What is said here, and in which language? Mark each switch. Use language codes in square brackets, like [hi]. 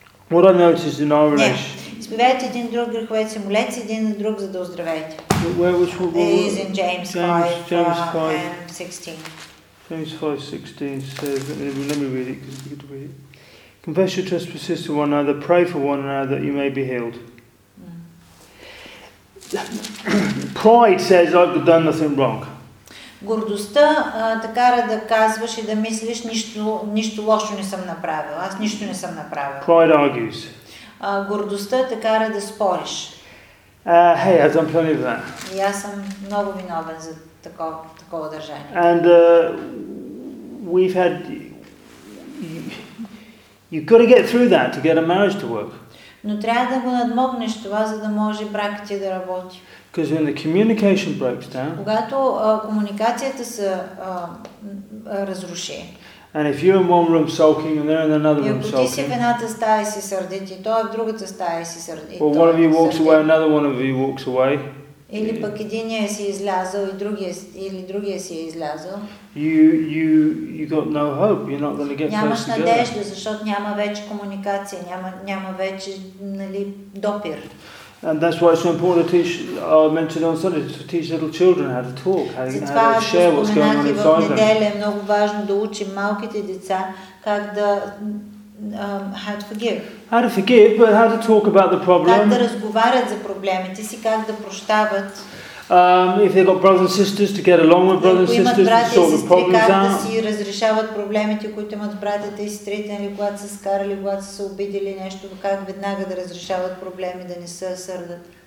[en] What I noticed in our relationship. [bg] Изповядайте един друг греховете си, молете си един на друг, за да оздравеете. [en] Where was we? Is in James 5:16. James 5:16 says, let me read it, because you get to read it. Confess your trespasses to one another, pray for one another that you may be healed. Pride says I've done nothing wrong. [bg] Гордостта те кара да казваш и да мислиш нищо лошо не съм направил. Аз нищо не съм направил. [en] Pride argues. [bg] Гордостта те кара да спориш. [en] Hey, I've done plenty of that. [bg] И аз съм много виновен за такова държание. [en] And we've had you've got to get through that to get a marriage to work. [bg] Но трябва да го надмогнеш това, за да може бракът ти да работи. [en] Because when the communication breaks down. [bg] Когато комуникацията се разруши. [en] And if you're in one room sulking and they're in another room sulking. [bg] Ако ти си в едната стая си сърдит и той в другата стая си сърдит. [en] Or one of you walks away, another one of you walks away. [bg] Или пък единия си излязъл и другия си е излязъл. [en] You got no hope. You're not going to get [bg] Нямаш надежда, защото няма вече комуникация, няма вече, нали, допир. [en] And that's why it's so important to teach, mentioned on Sunday, to teach little children how to talk, how to share what's going on inside them. [bg] В неделя е много важно да учим малките деца как да [en] how to forgive. How to forgive, but how to talk about the problem. [bg] Как да разговарят за проблемите си, как да прощават. [en] If they've got brothers and sisters, to get along with brothers and sisters, to sort the problems out. [bg] Как да си разрешават проблемите, които имат братята и сестрите, нали, когато са скарали, когато са се обидели нещо, как веднага да разрешават проблеми, да не се сърдат.